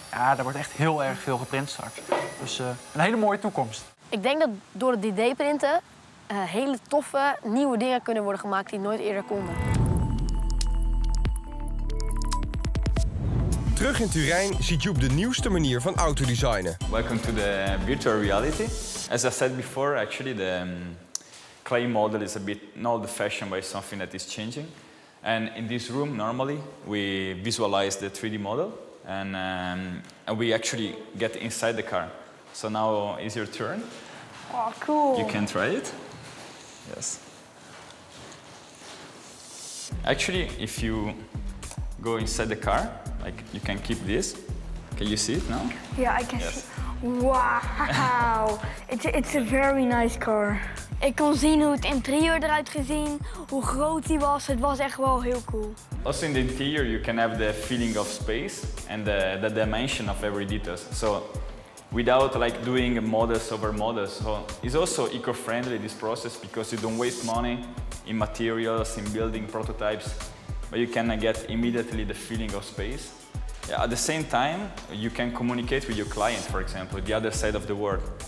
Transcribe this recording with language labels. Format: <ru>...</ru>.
<nl>Ja, daar wordt echt heel erg veel geprint straks. Dus een hele mooie toekomst. Ik denk dat door het 3D-printen hele toffe nieuwe dingen kunnen worden gemaakt die nooit eerder konden. Terug in Turijn ziet Joep de nieuwste manier van autodesignen.</nl> <en>Welcome to the virtual reality. As I said before, actually the clay model is a bit not the fashion, but it's something that is changing. And in this room, normally we visualize the 3D model and we actually get inside the car. So now is your turn. Oh, cool. You can try it. Yes. Actually, if you go inside the car, like you can keep this. Can you see it now? Yeah, I can. Yes. Wow, it's a very nice car.</en> <nl>Ik kon zien hoe het interieur eruit gezien, hoe groot die was. Het was echt wel heel cool.</nl> <en>Also in the interior, you can have the feeling of space and the dimension of every details. So without like doing models over models, so it's also eco-friendly this process because you don't waste money in materials, in building prototypes. But you can get immediately the feeling of space. Yeah, at the same time, you can communicate with your client, for example, the other side of the world.</en>